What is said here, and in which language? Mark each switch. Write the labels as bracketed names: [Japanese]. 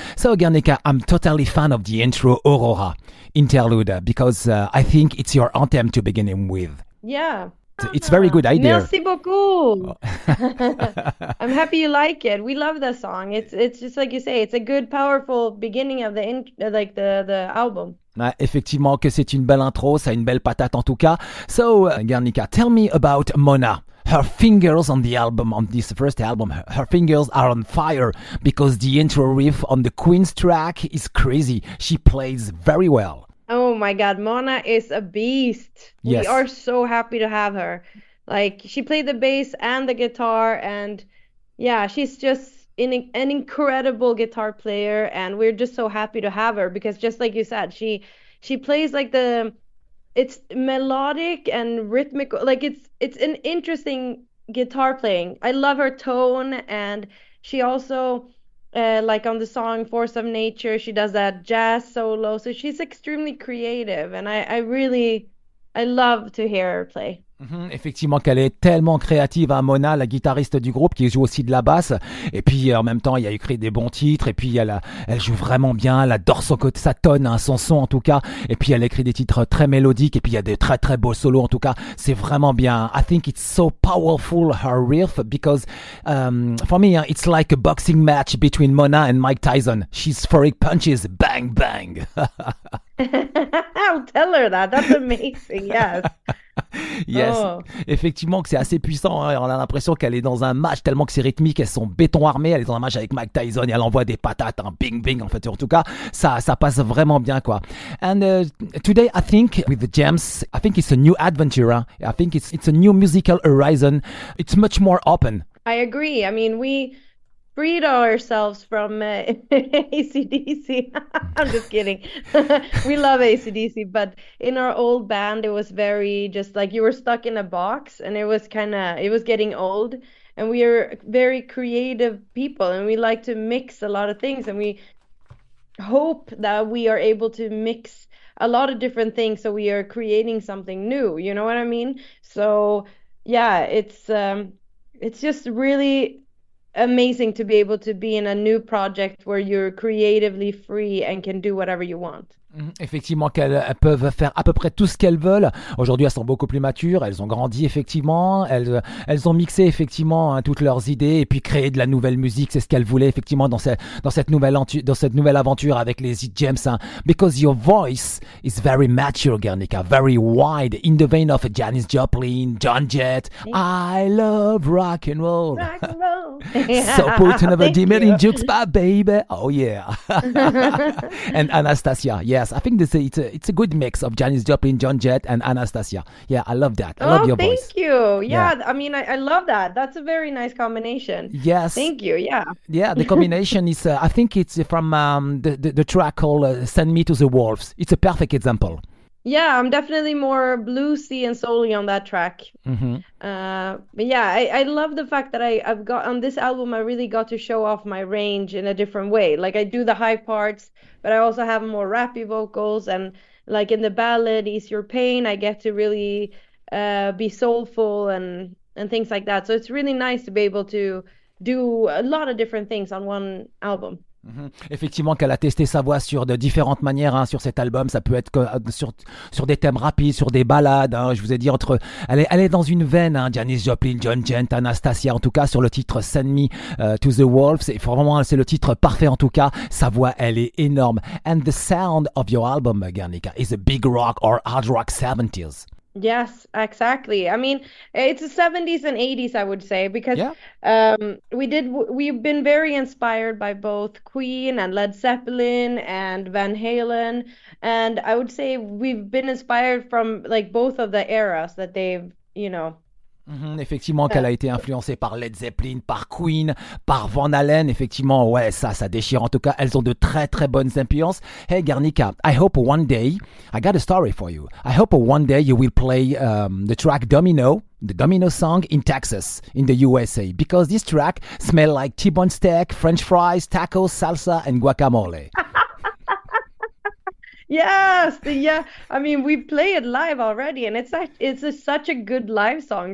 [English] So, Guernica, I'm totally fan of the intro Aurora interlude because I think it's your anthem to begin with. Yeah. It's a very good idea. [French] Merci beaucoup. [English] I'm happy you like it. We love the song. It's just like you say, it's a good, powerful beginning of the album. [French] Ah, effectivement, que c'est une belle intro, ça a une belle patate en tout cas. [English] So, Guernica, tell me about Mona. Her fingers on the album, on this first album, her fingers are on fire because the intro riff on the Queen's track is crazy. She plays very well. Oh my God, Mona is a beast. Yes. We are so happy to have her. Like, she played the bass and the guitar, and yeah, she's just an incredible guitar player, and we're just so happy to have her because just like you said, she plays like the, it's melodic and rhythmic, like it's an interesting guitar playing. I love her tone, and she also... like on the song Force of Nature, she does that jazz solo. So she's extremely creative. And I really love to hear her play. Mm-hmm. [French] Effectivement qu'elle est tellement créative, hein, Mona, la guitariste du groupe, qui joue aussi de la basse. Et puis en même temps, il a écrit des bons titres. Et puis elle joue vraiment bien. Elle adore son côté, sa tonne, hein, son en tout cas. Et puis elle écrit des titres très mélodiques. Et puis il y a des très très beaux solos en tout cas. C'est vraiment bien. [English] I think it's so powerful her riff because for me, hein, it's like a boxing match between Mona and Mike Tyson. She's throwing punches, bang bang. I'll tell her that. That's amazing. Yes. Yes, oh. [French] Effectivement que c'est assez puissant, hein. On a l'impression qu'elle est dans un match tellement que c'est rythmique, elles sont béton armé, elle est dans un match avec Mike Tyson et elle envoie des patates, hein. Bing bing en fait, en tout cas ça passe vraiment bien quoi. [English] And today I think with The Gems, I think it's a new adventure, huh? I think it's a new musical horizon, it's much more open. I agree, I mean we freed ourselves from AC/DC. I'm just kidding. We love AC/DC, but in our old band, it was very just like you were stuck in a box and it was getting old. And we are very creative people and we like to mix a lot of things. And we hope that we are able to mix a lot of different things. So we are creating something new. You know what I mean? So yeah, it's just really amazing to be able to be in a new project where you're creatively free and can do whatever you want. [French] Effectivement qu'elles peuvent faire à peu près tout ce qu'elles veulent. Aujourd'hui elles sont beaucoup plus matures, elles ont grandi effectivement, elles ont mixé effectivement hein, toutes leurs idées et puis créé de la nouvelle musique, c'est ce qu'elles voulaient effectivement dans cette nouvelle aventure avec les The Gems, hein. [English] Because your voice is very mature, Guernica, very wide, in the vein of Janis Joplin, Joan Jett. I love rock and roll, rock and roll. So put another demon in jukebox, baby. Oh yeah. And Anastasia. Yes, I think it's a good mix of Janis Joplin, Joan Jett, and Anastasia. Yeah, I love that. I love your voice. Oh, thank you. Yeah. I mean, I love that. That's a very nice combination. Yes. Thank you. Yeah. Yeah, the combination is, I think it's from the track called Send Me to the Wolves. It's a perfect example. Yeah, I'm definitely more bluesy and soul-y on that track. But yeah, I love the fact that I've got on this album, I really got to show off my range in a different way. Like I do the high parts, but I also have more rappy vocals, and like in the ballad "Ease Your Pain," I get to really be soulful and things like that. So it's really nice to be able to do a lot of different things on one album. [French] Effectivement, qu'elle a testé sa voix sur de différentes manières hein, sur cet album. Ça peut être que sur des thèmes rapides, sur des ballades. Hein, je vous ai dit entre, elle est dans une veine. Hein, Janis Joplin, John Jett, Anastacia. En tout cas, sur le titre Send Me to the Wolves, c'est vraiment c'est le titre parfait. En tout cas, sa voix, elle est énorme. [English] And the sound of your album, Guernica, is a big rock or hard rock 70s. Yes, exactly. I mean, it's the 70s and 80s, I would say, because Yeah. we've been very inspired by both Queen and Led Zeppelin and Van Halen, and I would say we've been inspired from like both of the eras that they've, [French] Effectivement, qu'elle a été influencée par Led Zeppelin, par Queen, par Van Halen. Effectivement, ouais, ça déchire. En tout cas, elles ont de très très bonnes influences. [English] Hey Guernica, I hope one day, I got a story for you. I hope one day you will play the track Domino, the Domino song in Texas, in the USA, because this track smells like T-bone steak, French fries, tacos, salsa, and guacamole. Yes, I mean, we play it live already, and it's such a good live song.